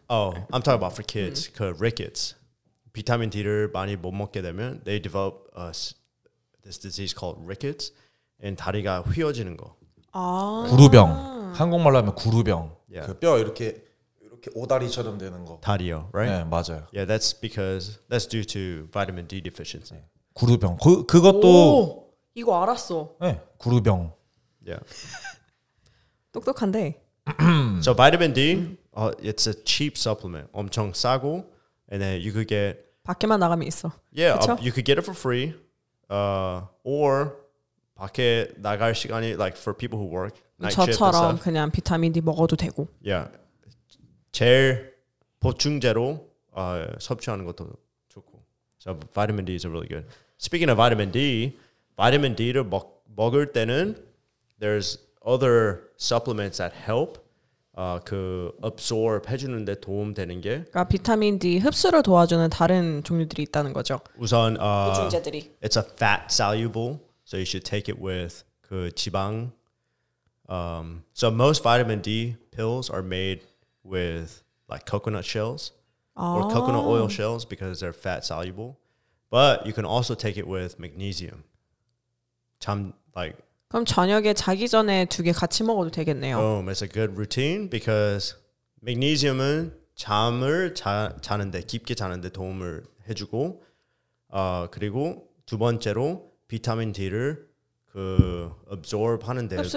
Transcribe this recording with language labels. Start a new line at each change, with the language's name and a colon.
English: Oh, I'm talking about for kids. 그 rickets.
Korean: 비타민 D를 많이 못 먹게 되면
English: they develop this disease called rickets and
Korean: 다리가 휘어지는 거. 아. 구루병. 한국말로 하면 구루병.
English: Yeah.
Korean: 그 뼈 이렇게 오다리처럼 되는 거. 다리요, right? 네, 맞아요.
English: Yeah, that's because that's due to vitamin D deficiency.
Korean: 구루병. 그것도 오, 이거 알았어. 네, 구루병.
English: Yeah.
Korean: 똑똑한데.
English: So vitamin D, it's a cheap supplement.
Korean: 엄청 싸고,
English: and then you could get.
Korean: 밖에만 나가면 있어.
English: Yeah, you could get it for free, or
Korean: 밖에 나갈 시간이
English: like for people who work night shift.
Korean: 저처럼 그냥 비타민 D 먹어도 되고.
English: Yeah.
Korean: 제일 보충제로 섭취하는 것도 좋고.
English: So vitamin D is really good. Speaking of vitamin D, vitamin D를 먹을 때는 there's other supplements that help 그 absorb
Korean: 해주는 데 도움 되는 게. 그러니까 비타민 D 흡수를 도와주는 다른 종류들이 있다는 거죠. 우선 보충제들이.
English: It's a fat soluble, so you should take it with
Korean: 그 지방.
English: So most vitamin D pills are made with like coconut shells or coconut oil shells because they're fat soluble. But you can also take it with magnesium.
Korean: 참 like 그럼 저녁에 자기 전에 두 개 같이 먹어도 되겠네요.
English: Boom, it's a good routine because
Korean: magnesium은 잠을 자는데 깊게 자는데 도움을 해주고 그리고 두 번째로 비타민 D를 그 absorb 하는 데도